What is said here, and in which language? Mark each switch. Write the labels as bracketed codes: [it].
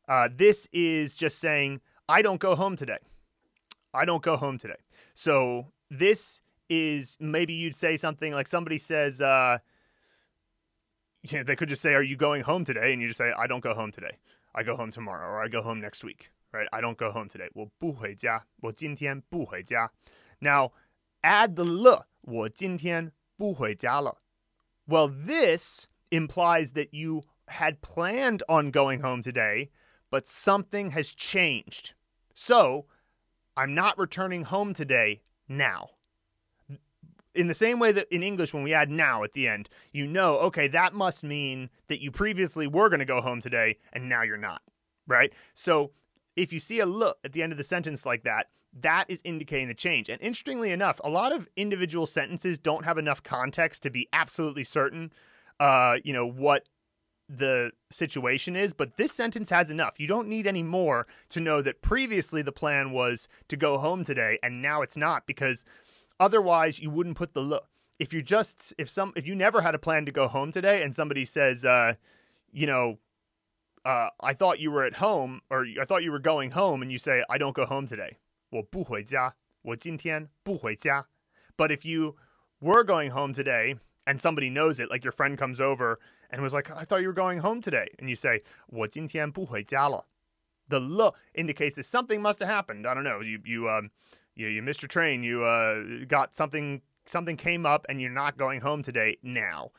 [en] This is just saying, I don't go home today. I don't go home today. So this is maybe you'd say something like somebody says, they could just say, are you going home today? And you just say, I don't go home today. I go home tomorrow, or I go home next week, right? I don't go home today. [zh] 我不回家,我今天不回家. [en] Now, add the 了, [zh] 我今天不回家了. [en] Well, this implies that you had planned on going home today, but something has changed. So, I'm not returning home today now. In the same way that in English, when we add now at the end, you know, okay, that must mean that you previously were going to go home today and now you're not, right? So if you see a look at the end of the sentence like that, that is indicating the change. And interestingly enough, a lot of individual sentences don't have enough context to be absolutely certain, you know, what the situation is. But this sentence has enough. You don't need any more to know that previously the plan was to go home today and now it's not, because otherwise you wouldn't put the look. If you just, if you never had a plan to go home today and somebody says, you know, I thought you were at home, or I thought you were going home, and you say, I don't go home today. [zh] 我不回家。我今天不回家. [en] But if you were going home today and somebody knows it, like your friend comes over and was like, I thought you were going home today. And you say, [zh] 我今天不回家了. [en] The le indicates that something must have happened. I don't know. You missed your train. You got something came up and you're not going home today now.